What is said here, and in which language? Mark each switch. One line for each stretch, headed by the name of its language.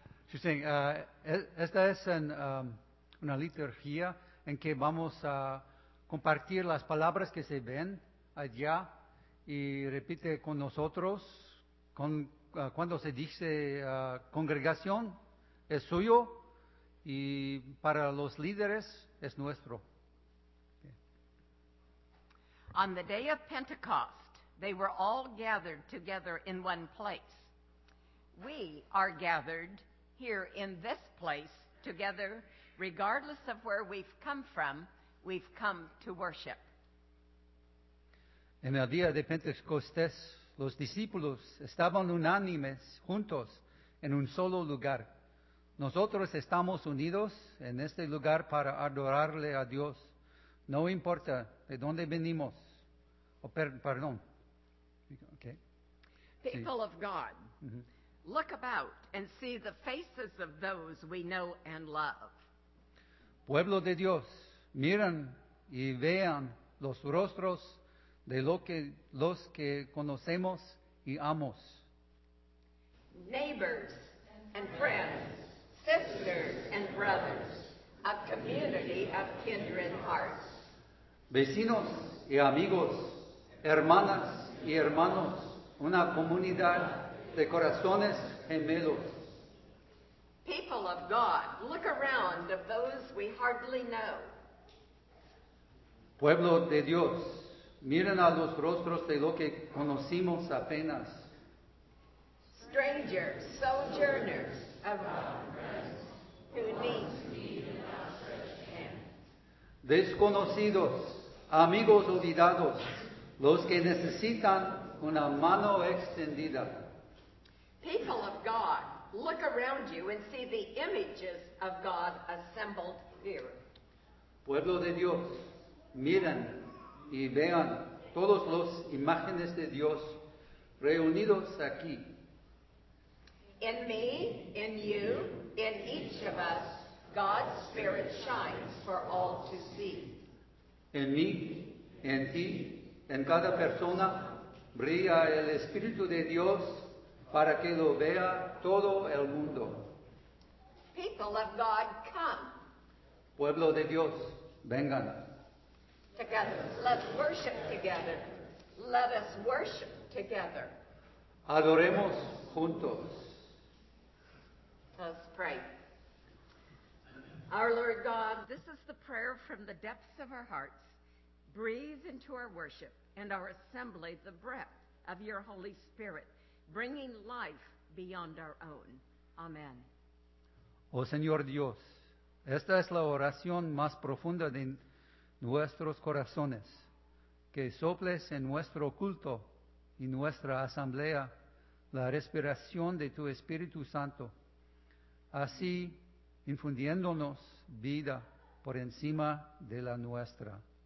English: She's saying,
Spanish: esta es en, una liturgia en que vamos a compartir las palabras que se ven allá y repite con nosotros con, cuando se dice congregación, es suyo y para los líderes es nuestro.
English: Okay. On the day of Pentecost, they were all gathered together in one place. We are gathered here in this place together, regardless of where we've come to worship.
Spanish: En el día de Pentecostés, los discípulos estaban unánimes juntos en un solo lugar. Nosotros estamos unidos en este lugar para adorarle a Dios. No importa de dónde venimos. Perdón. Okay.
English: People of God. Mm-hmm. Look about and see the faces of those we know and love.
Spanish: Pueblo de Dios, miren y vean los rostros de los que conocemos y amos.
English: Neighbors and friends, sisters and brothers, a community of kindred hearts.
Spanish: Vecinos y amigos, hermanas y hermanos, una comunidad de corazones gemelos.
English: People of God, look around of those we hardly know.
Spanish: Pueblo de Dios, miren a los rostros de lo que conocimos apenas.
English: Strangers, sojourners of God, who need us hand.
Spanish: Desconocidos, amigos olvidados, los que necesitan una mano extendida.
English: People of God, look around you and see the images of God assembled here.
Spanish: Pueblo de Dios, miren y vean todos los imágenes de Dios reunidos aquí.
English: In me, in you, in each of us, God's Spirit shines for all to see.
Spanish: En mí, en ti, en cada persona, brilla el Espíritu de Dios para que lo vea todo el mundo.
English: People of God, come.
Spanish: Pueblo de Dios, vengan.
English: Together, let's worship together. Let us worship together.
Spanish: Adoremos juntos.
English: Let's pray. Our Lord God, this is the prayer from the depths of our hearts. Breathe into our worship and our assembly the breath of your Holy Spirit, bringing life beyond our own. Amen.
Spanish: Oh, Señor Dios, esta es la oración más profunda de nuestros corazones. Que soples en nuestro culto y nuestra asamblea la respiración de tu Espíritu Santo, así infundiéndonos vida por encima de la nuestra.